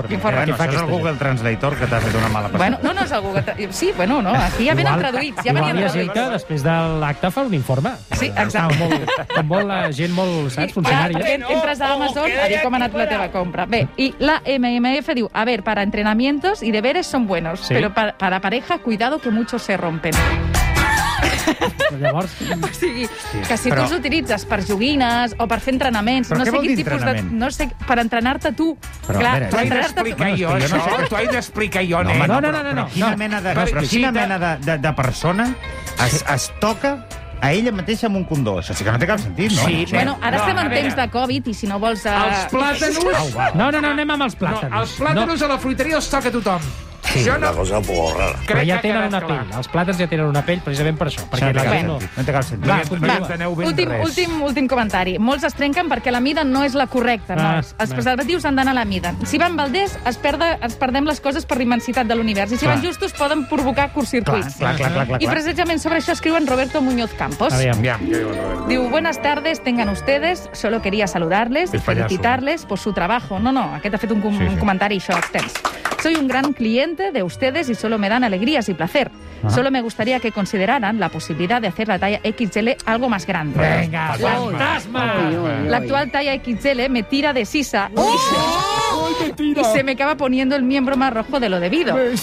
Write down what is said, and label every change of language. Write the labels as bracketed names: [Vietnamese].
[Catalan] Bueno, això és el Google Translator que t'ha fet una mala passada. Bueno, no és el Google Translator. Sí, bueno, no. Aquí ja venen traduïts. Ja venien traduïts. Igual hi després de l'acte fa un informe. Sí, exacte. Com vol la gent molt, saps, funcionària. Entres a Amazon a dir com ha anat la teva compra. Bé, i la MMF diu: [Spanish] a ver, para entrenamientos y deberes son buenos, sí. Pero para pareja, cuidado que muchos se rompen. [Catalan] Llavors... O sigui, que si tu els utilitzes per joguines o per fer entrenaments... Però no sé què vol dir tipus entrenament? De, no sé, per entrenar-te tu. Però, clar, tu has d'explicar jo això. Tu has d'explicar jo, nen. Quina mena de persona es toca a ella mateixa amb un condó? Això sí que no té cap sentit, no? Sí, no, bueno, ara no, estem en temps de Covid i si no vols... Els plàtanos... No, anem amb els plàtanos. No, els plàtanos a la fruiteria els toca a tothom. Sí, jo no... cosa porra. Però ja tenen una pell. Clar. Els plàtans ja tenen una pell precisament per això. Perquè no té cap sentit. Va, continua. Últim comentari. Molts es trenquen perquè la mida no és la correcta. Els preservatius han d'anar a la mida. Si van valders, ens perdem les coses per l'immensitat de l'univers. I si van justos, poden provocar curtcircuits. Clar. I precisament sobre això escriuen Roberto Muñoz Campos. Aviam. [Spanish] Diu: buenas tardes, tengan ustedes. Solo quería saludarles, felicitarles por su trabajo. [Catalan] No, aquest ha fet un comentari això extens. [Spanish] Soy un gran cliente de ustedes y solo me dan alegrías y placer. Solo me gustaría que consideraran la posibilidad de hacer la talla XL algo más grande. ¡Venga, fantasma! La actual talla XL me tira de sisa. Y se me acaba poniendo el miembro más rojo de lo debido.